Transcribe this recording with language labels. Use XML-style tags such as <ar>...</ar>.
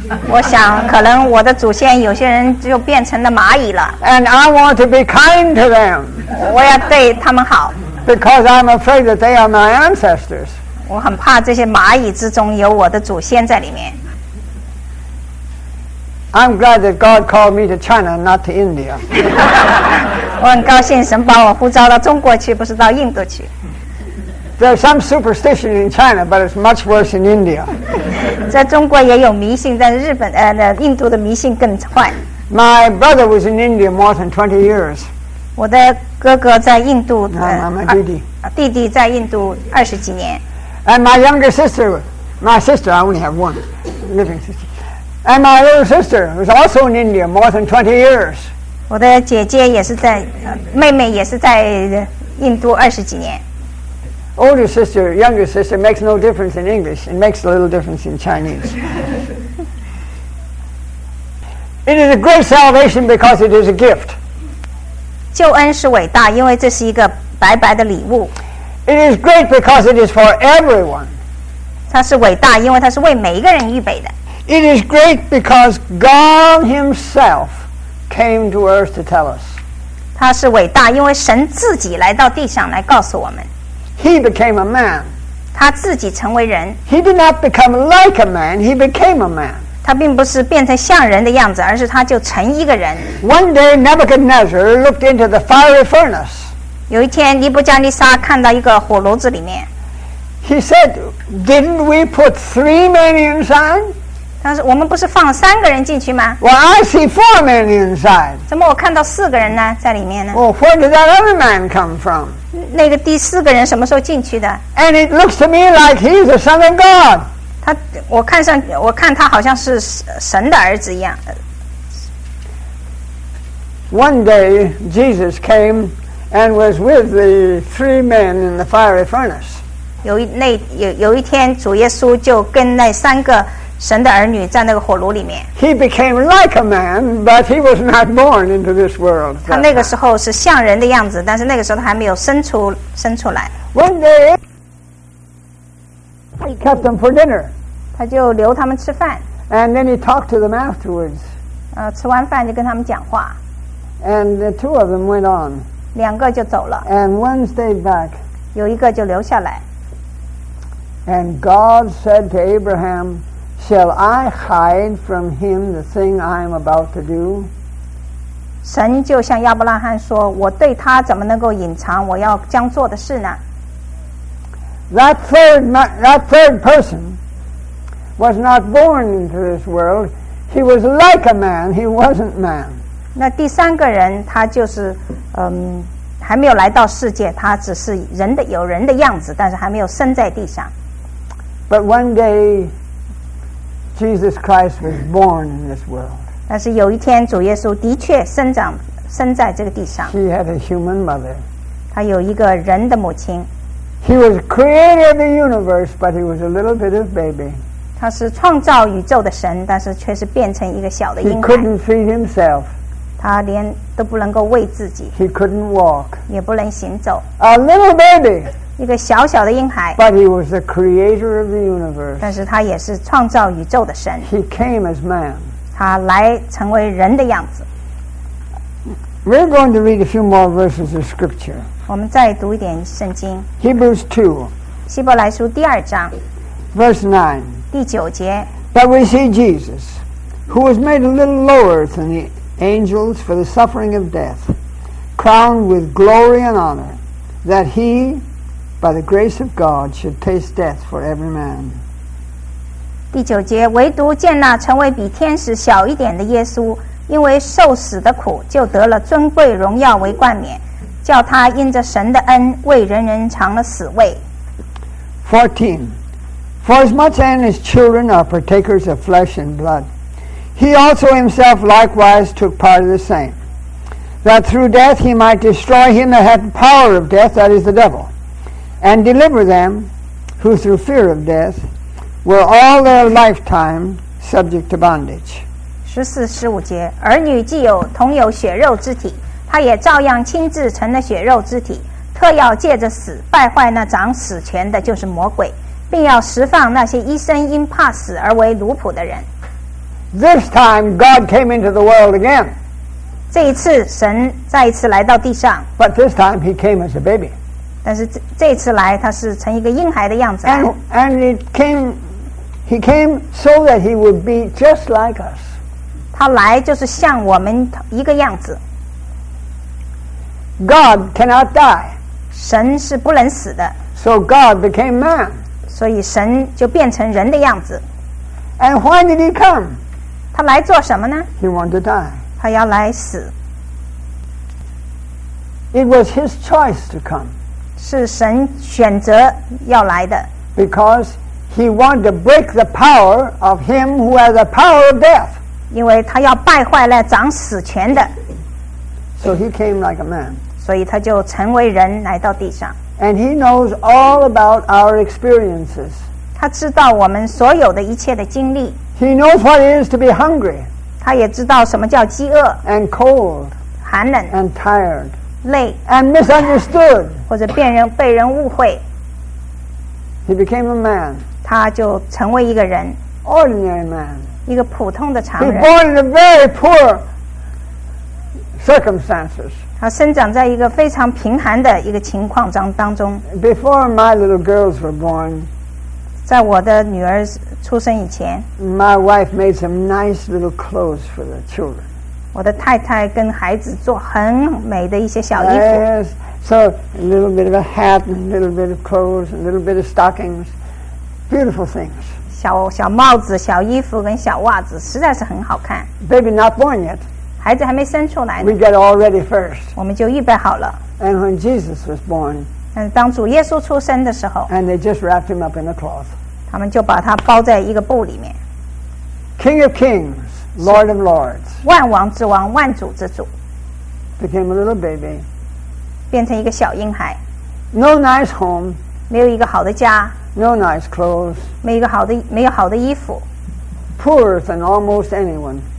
<zh>我想可能我的祖先有些人就变成了蚂蚁了。</zh> <en>And I want to be kind to them.</en> <zh>我要对他们好。</zh> <en>Because I'm afraid that they are my ancestors.</en> <zh>我很怕这些蚂蚁之中有我的祖先在里面。</zh> <en>I'm glad that God called me to China, not to India.</en> <zh>我很高兴神把我呼召到中国去，不是到印度去。</zh> <en>There's some superstition in China, but it's much worse in India.</en> <zh>在中国也有迷信，但日本印度的迷信更坏。</zh> <en>My brother was in India more than 20 years.</en> <zh>我的哥哥在印度。弟弟在印度二十几年。</zh> <en>And my younger sister, my sister, I only have one living sister. And my little sister was also in India more than 20 years.</en> <zh>我的姐姐也是在，妹妹也是在印度二十几年。</zh> <en>Older sister, younger sister makes no difference in English. It makes a little difference in Chinese. It is a great salvation because it is a gift.</en> <zh>救恩是伟大，因为这是一个白白的礼物。</zh> <en>It is great because it is for everyone.</en> <zh>它是伟大，因为它是为每一个人预备的。</zh> <en>It is great because God Himself came to earth to tell us.</en> <zh>它是伟大，因为神自己来到地上来告诉我们。</zh> <en>He became a man.</en> <zh>他自己成为人。</zh> <en>He did not become like a man. He became a man.</en> <zh>他并不是变成像人的样子，而是他就成一个人。</zh> <en>One day, Nebuchadnezzar looked into the fiery furnace.</en> <zh>有一天，尼布加尼撒看到一个火炉子里面。</zh> <en>He said, "Didn't we put three men inside?"</en> <zh>他说，我们不是放三个人进去吗？</zh> <en>Well, I see four men inside.</en> <zh>怎么我看到四个人呢，在里面呢？</zh> <en>Well, where did that other man come from?</en> <zh>那个第四个人什么时候进去的？</zh> <en>And it looks to me like he's the son of God.</en> <zh>他，我看他好像是神的儿子一样。</zh> <en>One day Jesus came and was with the three men in the fiery furnace.</en> <zh>有一天主耶稣就跟那三个神的儿女在那个火炉里面。</zh> <en>He became like a man, but he was not born into this world.</en> <zh>他那个时候是像人的样子，但是那个时候他还没有生出来。</zh> <en>One day, he kept them for dinner.</en> <zh>他就留他们吃饭。</zh> <en>And then he talked to them afterwards.</en> <zh>吃完饭就跟他们讲话。</zh> <en>And the two of them went on.</en> <zh>两个就走了。</zh> <en>And one stayed back.</en> <zh>有一个就留下来。</zh> <en>And God said to Abraham,Shall I hide from him the thing I am about to do?</en> <zh>神就向亚伯拉罕说，我对他怎么能够隐藏我要将做的事呢？</zh> <en>That third person was not born into this world. He was like a man. He wasn't man.</en> <zh>那第三个人他就是还没有来到世界，他只是人的有人的样子，但是还没有生在地上。</zh> <en>But one dayJesus Christ was born in this world.</en> <zh>但是有一天，主耶稣的确生在这个地上。</zh> <en>He had a human mother.</en> <zh>他有一个人的母亲。</zh> <en>He was creator of the universe, but he was a little bit of baby.</en> <zh>他是创造宇宙的神，但是却是变成一个小的婴孩。</zh> <en>He couldn't feed himself.</en> <zh>他连都不能够为自己。</zh> <en>He couldn't walk.</en> <zh>也不能行走。</zh> <en>A little baby.</en> <zh>一个小小的婴孩。</zh> <en>But he was the creator of the universe.</en> <zh>但是他也是创造宇宙的神。</zh> <en>He came as man.</en> <zh>他来成为人的样子。</zh> <en>We're going to read a few more verses of scripture.</en> <zh>我们再读一点圣经。</zh> <en>Hebrews 2.</en> <zh>希伯来书第二章。</zh> <en>Verse 9.</en> <zh>第九节。</zh> <en>But we see Jesus, who was made a little lower than the angels for the suffering of death, crowned with glory and honor, that he, by the grace of God, should taste death for every man.</en> <zh>第九节，唯独见那成为比天使小一点的耶稣，因为受死的苦，就得了尊贵荣耀为冠冕，叫他因着神的恩，为人人尝了死味。</zh> <en>14. For as much as his children are partakers of flesh and blood, he also himself likewise took part of the same, that through death he might destroy him that had the power of death, that is the devil, and deliver them who through fear of death were all their lifetime subject to bondage.</en> <zh>14-15 节，儿女既有同有血肉之体，他也照样亲自成了血肉之体，特要借着死败坏那掌死权的，就是魔鬼，并要释放那些一生因怕死而为奴仆的人。</zh> <en>This time God came into the world again.</en> <zh>这一次神再一次来到地上。</zh> <en>But this time he came as a baby.</en> <zh>但是 这次来他是成一个婴孩的样子。</zh> <en>And he came so that he would be just like us.</en> <zh>他来就是像我们一个样子。</zh> <en>God cannot die.</en> <zh>神是不能死的。</zh> <en>So God became man.</en> <zh>所以神就变成人的样子。</zh> <en>And why did he come?</en> <zh>他来做什么呢?</zh> <en>He wanted to die.</en> <zh>他要来死。</zh> <en>It was his choice to come.</en> <zh>是神选择要来的。</zh> <en>Because he wanted to break the power of him who has the power of death.</en> <zh>因为他要败坏了掌死权的。</zh> <en>So he came like a man.</en> <zh>所以他就成为人来到地上。</zh> <en>And he knows all about our experiences.</en> <zh>他知道我们所有的一切的经历。</zh> <en>He knows what it is to be hungry.</en> <zh>他也知道什么叫饥饿。</zh> <en>And cold.</en> <zh>寒冷。</zh> <en>And tired.</en> <zh>累。</zh> <en>And misunderstood.</en> <zh>或者被人误会。</zh> <en>He became a man.</en> <zh>他就成为一个人。</zh> <en>Ordinary man.</en> <zh>一个普通的常人。</zh> <en>He was born in a very poor circumstances.</en> <zh>他生长在一个非常贫寒的一个情况当中。</zh> <en>Before my little girls were born.</en> <zh>在我的女儿出生以前</zh> <en>My wife made some nice little clothes for the children.</en> <zh>我的太太跟孩子做很美的一些小衣服</zh> <en>Yes, so a little bit of a hat, a little bit of clothes, a little bit of stockings. Beautiful things.</en> <zh>小帽子、小衣服跟小袜子实在是很好看</zh> <en>Baby not born yet.</en> <zh>孩子还没生出来呢</zh> <en>We get all ready first.</en> <zh>我们就预备好了</zh> <en>And when Jesus was born,</en> <zh>但是当主耶稣出生的时候</zh> <en>And they just wrapped him up in a cloth.</en> <zh>他们就把他包在一个布里面</zh> <en>King of kings, Lord of lords</en> <zh>万王之王万主之主</zh> <en>Became a little baby</en> <zh>变成一个小婴孩</zh> <en>No nice home</en> <zh>没有一个好的家</zh> <en>No nice clothes</en> <zh>没有好的衣服</zh> <en>Poorer than almost anyone</en>